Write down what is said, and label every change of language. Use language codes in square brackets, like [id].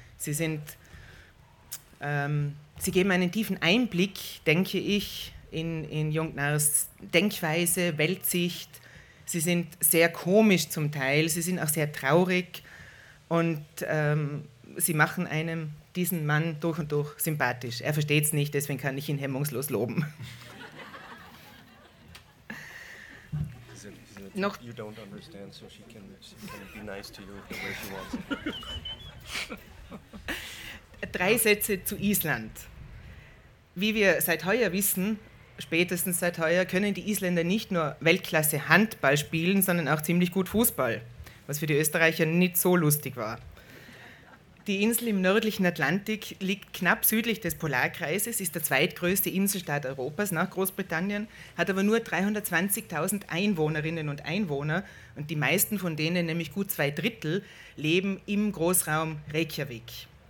[de] Sie geben einen tiefen Einblick, denke ich, in John Gnarrs Denkweise, Weltsicht. Sie sind sehr komisch zum Teil, sie sind auch sehr traurig und sie machen einem diesen Mann durch und durch sympathisch. Er versteht es nicht, deswegen kann ich ihn hemmungslos loben. Noch. [en] You don't understand, so she can be nice to you the way she wants. [de] Drei Sätze zu Island. Wie wir seit heuer wissen, spätestens seit heuer, können die Isländer nicht nur Weltklasse Handball spielen, sondern auch ziemlich gut Fußball, was für die Österreicher nicht so lustig war. Die Insel im nördlichen Atlantik liegt knapp südlich des Polarkreises, ist der zweitgrößte Inselstaat Europas nach Großbritannien, hat aber nur 320.000 Einwohnerinnen und Einwohner und die meisten von denen, nämlich gut zwei Drittel, leben im Großraum Reykjavik.